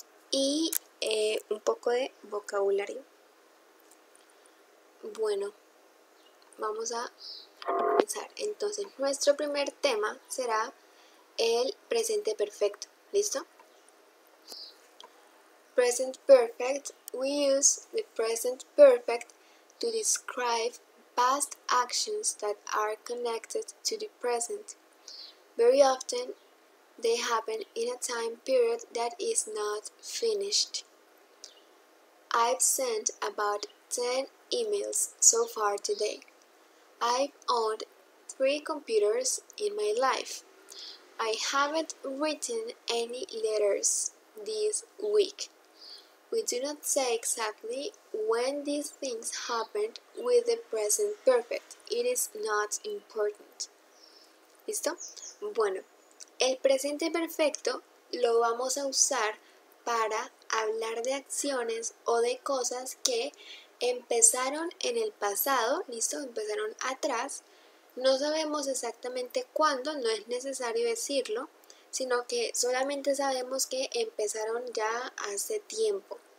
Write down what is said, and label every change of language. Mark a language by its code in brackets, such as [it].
[es] Y un poco de vocabulario. Bueno, vamos a comenzar. Entonces, nuestro primer tema será el presente perfecto. ¿Listo? [en] Present perfect. We use the present perfect to describe past actions that are connected to the present. Very often, they happen in a time period that is not finished. I've sent about 10 emails so far today. I've owned 3 computers in my life. I haven't written any letters this week. We do not say exactly when these things happened with the present perfect. It is not important. [es] ¿Listo? Bueno, el presente perfecto lo vamos a usar para hablar de acciones o de cosas que empezaron en el pasado, ¿listo? Empezaron atrás. No sabemos exactamente cuándo, no es necesario decirlo, sino que solamente sabemos que empezaron ya hace tiempo.